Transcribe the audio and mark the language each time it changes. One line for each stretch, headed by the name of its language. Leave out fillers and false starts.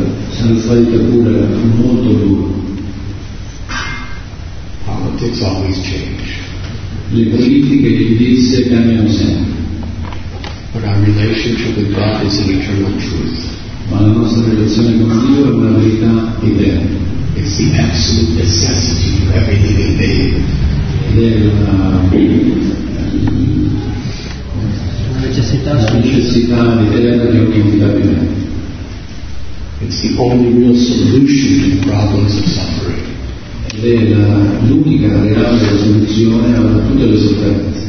Italian: Saraswati Thakur era molto duro.
English: Politics always change.
Italian: Le politiche di disse cambiano sempre.
English: But our relationship with God is an eternal truth.
Italian: Ma la nostra relazione con Dio è una verità eterna.
English: It's the absolute necessity for every living being.
Italian: Ed è necessità di vedere gli occhi di Dio.
English: It's the only real solution to the problems of suffering.
Italian: È l'unica reale soluzione a tutte le sofferenze.